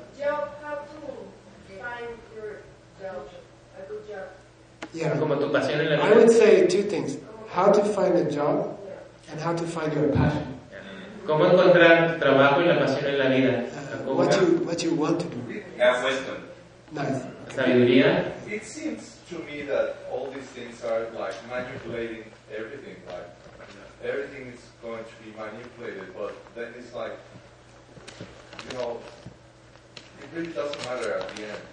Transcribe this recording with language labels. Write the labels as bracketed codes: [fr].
[en] Job, how to find your job, a good job. Yeah. [es] Como tu pasión en la vida. [en] I would say two things: how to find a job, and how to find your passion. [es] Cómo encontrar trabajo y la pasión en la vida. [en] What you want to do? Have wisdom. Nice. [es] Sabiduría. [en] It seems to me that all these things are like manipulating. Everything, like everything, is going to be manipulated. But then it's like, you know, it really doesn't matter at the end.